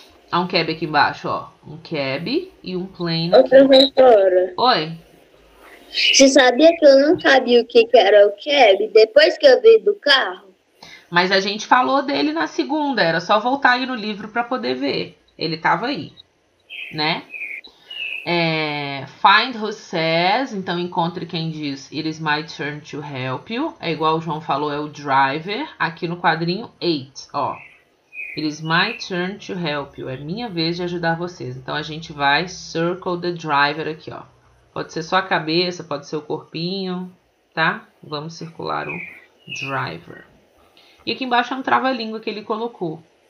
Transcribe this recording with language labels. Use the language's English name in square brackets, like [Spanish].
[Portuguese] Há um cab aqui embaixo, ó. Um cab e um plane. Ô, professora. Oi. Você sabia que eu não sabia o que era o cab depois que eu vi do carro? Mas a gente falou dele na segunda. Era só voltar aí no livro para poder ver. Ele tava aí, né? [English] Find who says, [Portuguese] então encontre quem diz, [English] it is my turn to help you. [Portuguese] É igual o João falou, é o driver, aqui no quadrinho 8, ó. [English] It is my turn to help you, [Portuguese] é minha vez de ajudar vocês. Então a gente vai [English] circle the driver [Portuguese] aqui, ó. Pode ser só a cabeça, pode ser o corpinho, tá? Vamos circular o driver. E aqui embaixo é um trava-língua que ele colocou.